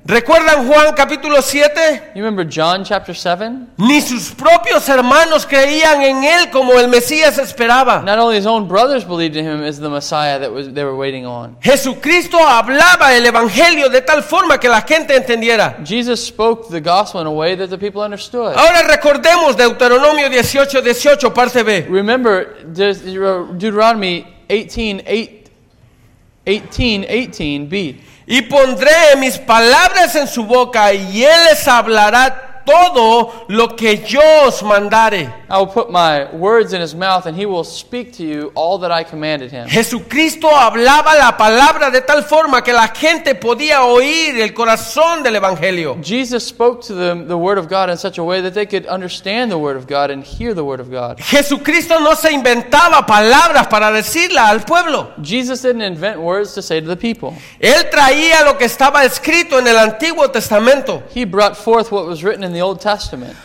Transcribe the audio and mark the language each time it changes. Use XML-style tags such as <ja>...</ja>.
<es>¿Recuerdan Juan capítulo 7?</es> <en>You remember John chapter 7?</en> <es>Ni sus propios hermanos creían en él como el Mesías esperaba.</es> <en>Not only his own brothers believed in him as the Messiah that they were waiting on.</en> <es>Jesucristo hablaba el evangelio de tal forma que la gente entendiera.</es> <en>Jesus spoke the gospel in a way that the people understood.</en> <es>Ahora recordemos Deuteronomio 18:18 parte B.</es> <en>Remember Deuteronomy 18:18b.</en> <es>Y pondré mis palabras en su boca y él les hablará todo lo que yo os mandare.</es> <en>I will put my words in his mouth and he will speak to you all that I commanded him.</en> <es>Jesucristo hablaba la palabra de tal forma que la gente podía oír el corazón del evangelio.</es> <en>Jesus spoke to them the word of God in such a way that they could understand the word of God and hear the word of God.</en> <es>Jesucristo no se inventaba palabras para decirla al pueblo.</es> <en>Jesus didn't invent words to say to the people.</en> <es>Él traía lo que estaba escrito en el Antiguo Testamento.</es> <en>He brought forth what was written in the Old Testament.</en>